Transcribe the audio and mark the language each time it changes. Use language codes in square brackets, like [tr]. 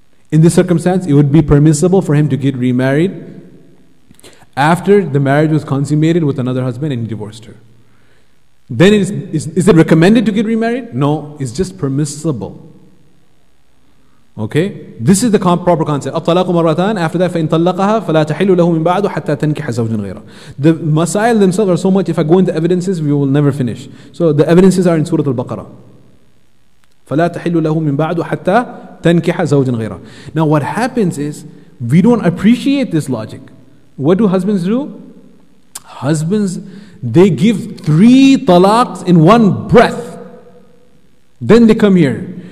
[en] In this circumstance, it would be permissible for him to get remarried after the marriage was consummated with another husband and he divorced her. Then is it recommended to get remarried? No, it's just permissible. Okay, this is the proper concept. [ar] أَطَلَاقُ مَرَّتَانَ [en] after that [ar] فَإِنْ طَلَّقَهَا فَلَا تَحِلُّ لَهُ مِنْ بَعْدُ حَتَّى تَنْكِحَ زَوْجٍ غَيْرَهُ. [en] The masail themselves are so much, if I go into evidences, we will never finish. So the evidences are in Surah Al-Baqarah. [ar] فَلَا تَحِلُّ لَهُ مِنْ بَعْدُ حَتَّى تَنْكِحَ زَوْجٍ غَيْرَهُ. [en] Now what happens is, we don't appreciate this logic. What do husbands do? Husbands, they give 3 talaqs in one breath. Then they come here.